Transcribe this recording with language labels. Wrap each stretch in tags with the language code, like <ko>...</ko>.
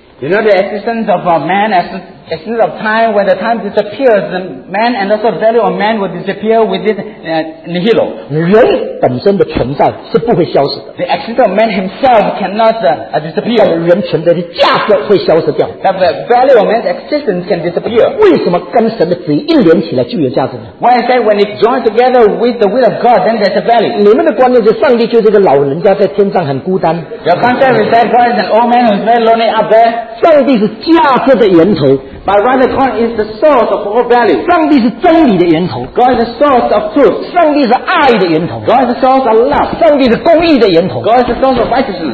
<en>You know the existence of a man as a sense of time, when the time disappears, the man and also the value of man will disappear with it nihil.</en> <zh>人本身的存在是不会消失的。</zh> <en>The existence of man himself cannot disappear.</en> <zh>人存在的价值会消失掉。</zh> <en>That the value of man's existence can disappear.</en> <zh>为什么跟神的旨意一连起来就有价值呢？</zh> <en>Why is that when it joins together with the will of God, then there's a value?</en> <zh>你们的观念是上帝就是一个老人家在天上很孤单。</zh> <en>Your concept is that God is an old man who is very lonely up there.</en> <zh>上帝是价值的源头。</zh> <en>But rather God is the source of all value.</en> <zh>上帝是真理的源头。</zh> <en>God is the source of truth.</en> <zh>上帝是爱的源头。</zh> <en>God is the source of love.</en> <zh>上帝是公义的源头。</zh> <en>God is the source of righteousness.</en>